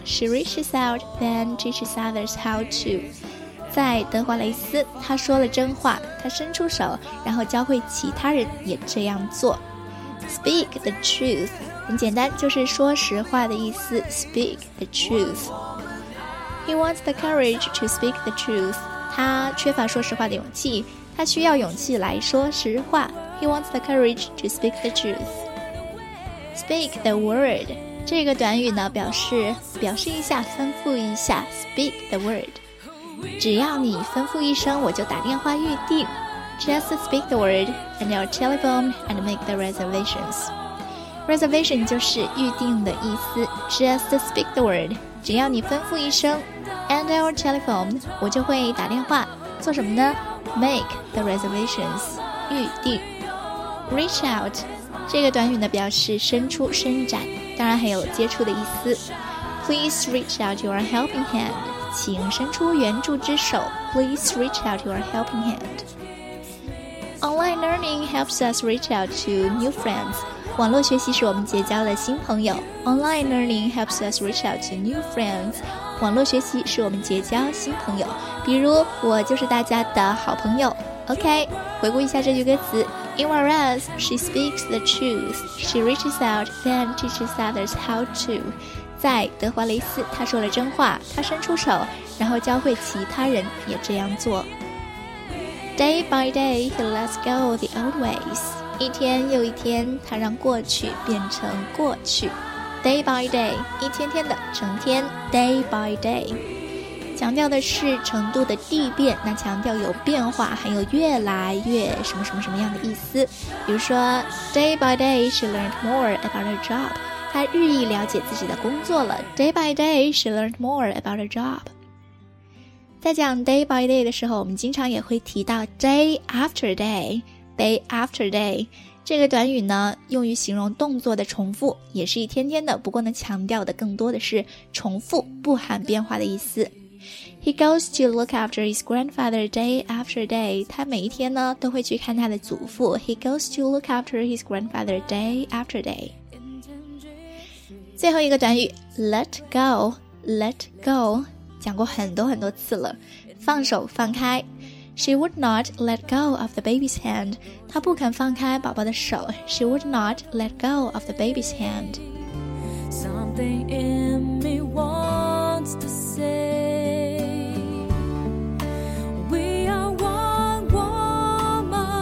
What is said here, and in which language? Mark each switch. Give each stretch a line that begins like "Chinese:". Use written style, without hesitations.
English: She reaches out, then teaches others how to.
Chinese: 在德华雷斯，她说了真话，她伸出手，然后教会其他人也这样做。
English: Speak the truth,
Chinese: 很简单，就是说实话的意思。
English: Speak the truth. He wants the courage to speak the truth.
Chinese: 他缺乏说实话的勇气，他需要勇气来说实话。
English: He wants the courage to speak the truth. Speak the word.
Chinese: 这个短语呢，表示一下，吩咐一下 ，speak the word。只要你吩咐一声，我就打电话预定。
English: Just speak the word, and your telephone, and make the reservations.
Chinese: Reservation 就是预定的意思。
English: Just speak the word，
Chinese: 只要你吩咐一声 ，
English: and your telephone，
Chinese: 我就会打电话。做什么呢 ？
English: Make the reservations，
Chinese: 预定。 Reach out， 这个短语呢，表示伸出、伸展。当然还有接触的意思
English: Please reach out your helping hand
Chinese: 请伸出援助之手 Please reach out your helping hand
English: Online learning helps us reach out to new friends
Chinese: 网络学习使我们结交了新朋友 Online learning helps us reach out to new friends 网络学习使我们结交新朋友比如我就是大家的好朋友 OK 回顾一下这句歌词
English: In whereas, she speaks the truth. She reaches out, then teaches others how to.
Chinese: 在德华雷斯，她说了真话，她伸出手，然后教会其他人也这样做。
English: Day by day, he lets go the old ways.
Chinese: 一天又一天，他让过去变成过去。 Day by day, 一天天的，成天。
English: Day by day.
Chinese: 强调的是程度的递变，那强调有变化，还有越来越什么什么什么样的意思。比如说 ，
English: day by day she learned more about her job，
Chinese: 她日益了解自己的工作了。
English: Day by day she learned more about her job。
Chinese: 在讲 day by day 的时候，我们经常也会提到 day after day， day after day 这个短语呢，用于形容动作的重复，也是一天天的。不过呢，强调的更多的是重复，不含变化的意思。
English: He goes to look after his grandfather day after day.
Chinese: 他每一天呢都会去看他的祖父。
English: He goes to look after his grandfather day after day.
Chinese: 最后一个短语 ,let go, let go. 讲过很多很多次了，放手放开。
English: She would not let go of the baby's hand.
Chinese: 她不肯放开宝宝的手。
English: She would not let go of the baby's hand. Something in me wants to say, we are one woman.